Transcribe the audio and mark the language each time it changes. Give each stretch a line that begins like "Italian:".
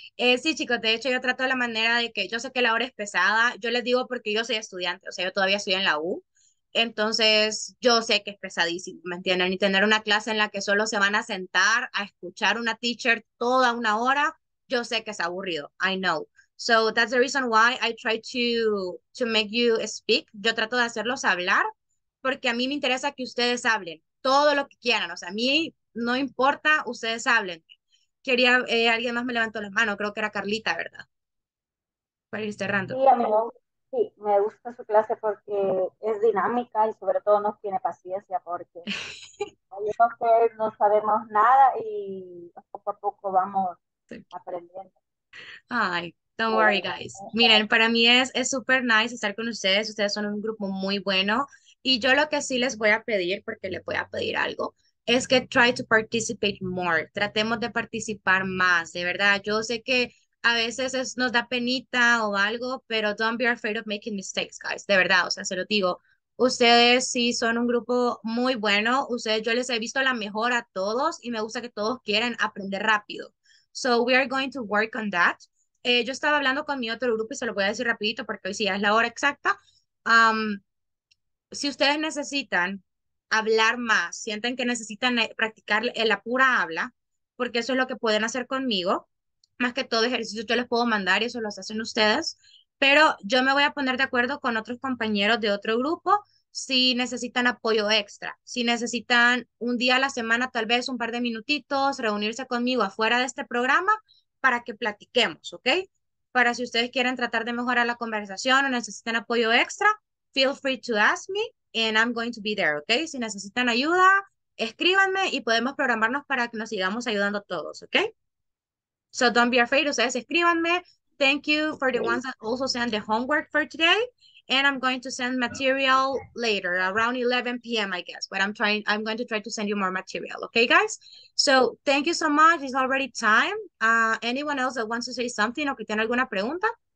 Spanish: Sí, chicos, de hecho yo trato la manera de que, yo sé que la hora es pesada, yo les digo porque yo soy estudiante, o sea, yo todavía estoy en la U, entonces yo sé que es pesadísimo, ¿me entienden? Y tener una clase en la que solo se van a sentar a escuchar una teacher toda una hora, yo sé que es aburrido,
English: I know. So that's the reason why I try to make you speak.
Spanish: Yo trato de hacerlos hablar, porque a mí me interesa que ustedes hablen todo lo que quieran. O sea, a mí no importa, ustedes hablen. Quería, alguien más me levantó la mano, creo que era Carlita, ¿verdad? Para ir cerrando. Sí, me gusta su clase porque es dinámica y sobre todo nos tiene paciencia porque No sabemos nada y poco a poco vamos aprendiendo. Ay,
English: don't worry, guys.
Spanish: Miren, para mí es super nice estar con ustedes. Ustedes son un grupo muy bueno. Y yo lo que sí les voy a pedir, porque le voy a pedir algo, es que
English: try to participate more.
Spanish: Tratemos de participar más, de verdad. Yo sé que a veces nos da penita o algo, pero
English: don't be afraid of making mistakes, guys.
Spanish: De verdad, o sea, se lo digo. Ustedes sí son un grupo muy bueno. Ustedes, yo les he visto la mejor a todos y me gusta que todos quieran aprender rápido.
English: So we are going to work on that.
Spanish: Yo estaba hablando con mi otro grupo y se lo voy a decir rapidito porque hoy sí ya es la hora exacta. Si ustedes necesitan hablar más, sienten que necesitan practicar la pura habla, porque eso es lo que pueden hacer conmigo, más que todo ejercicio yo les puedo mandar y eso los hacen ustedes, pero yo me voy a poner de acuerdo con otros compañeros de otro grupo si necesitan apoyo extra, si necesitan un día a la semana, tal vez un par de minutitos, reunirse conmigo afuera de este programa para que platiquemos, ¿ok? Para si ustedes quieren tratar de mejorar la conversación o necesitan apoyo extra,
English: feel free to ask me, and I'm going to be there, okay?
Spanish: Si necesitan ayuda, escríbanme y podemos programarnos para que nos sigamos ayudando todos, okay?
English: So don't be afraid,
Spanish: ustedes escríbanme.
English: Thank you for the ones that also sent the homework for today, and I'm going to send material later, around 11 p.m., I guess, but I'm going to try to send you more material, okay, guys? So thank you so much, it's already time. Anyone else that wants to say something
Spanish: o que tiene alguna pregunta?